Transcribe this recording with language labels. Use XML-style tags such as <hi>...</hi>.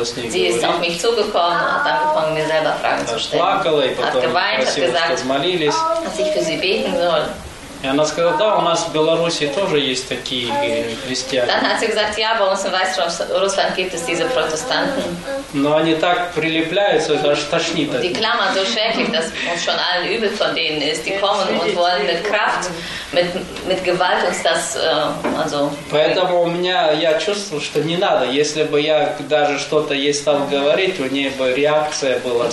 <de>Sie ist auf mich zugekommen und hat angefangen, mir selber Fragen zu stellen. Hat geweint, hat gesagt, dass ich für sie beten soll.</de> <ru>И она сказала, да, у нас в Беларуси тоже есть такие христиане.</ru> <de>Dann hat sie gesagt, ja, bei uns in Weißrussland gibt es diese Protestanten.</de> <ru>Но они так прилепляются, это аж тошнит.</ru> <de>Die klammern so schrecklich, dass uns schon allen übel von denen ist. Die kommen und wollen mit Kraft, mit Gewalt uns das, also...</de> <ru>Поэтому у меня, я чувствовал, что не надо, если бы я даже что-то ей стал говорить, у нее бы реакция была.</ru>